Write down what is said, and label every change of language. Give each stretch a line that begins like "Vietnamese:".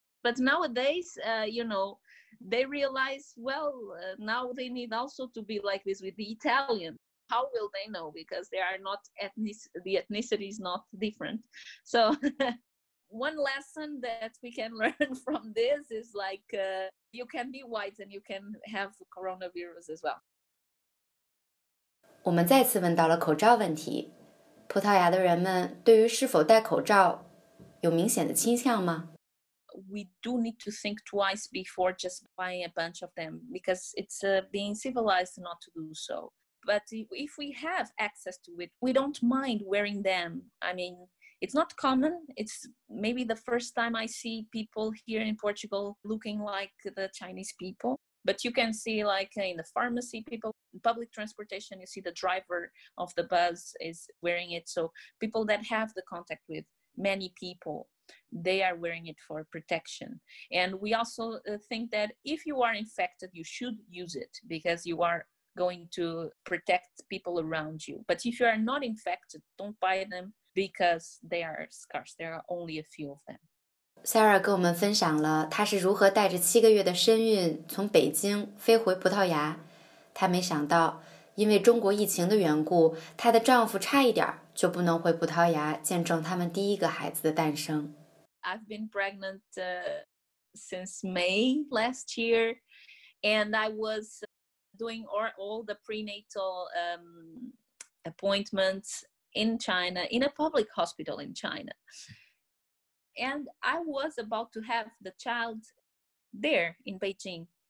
English: But nowadays, you know, they realize, well, now they need also to be like this with the Italian. How will they know? Because they are not the ethnicity is not different. So one lesson that we can learn from this is like, you can be white and you can have coronavirus as well.
Chinese: 我们再次问到了口罩问题。葡萄牙的人们对于是否戴口罩有明显的倾向吗？
English: We do need to think twice before just buying a bunch of them because it's being civilized not to do so. But if we have access to it, we don't mind wearing them. I mean, it's not common. It's maybe the first time I see people here in Portugal looking like the Chinese people. But you can see like in the pharmacy people, public transportation, you see the driver of the bus is wearing it. So people that have the contact with many people, they are wearing it for protection. And we also think that if you are infected, you should use it because you are going to protect people around you. But if you are not infected, don't buy them. Because they are scarce, there are only a few of them.
Chinese: Sarah 跟我们分享了她是如何带着七个月的身孕从北京飞回葡萄牙。她没想到，因为中国疫情的缘故，她的丈夫差一点就不能回葡萄牙见证他们第一个孩子的诞生。
English: I've been pregnant since May last year, and I was doing all the prenatal appointments. In China, in a public hospital in China. And I was about to have the child there in Beijing.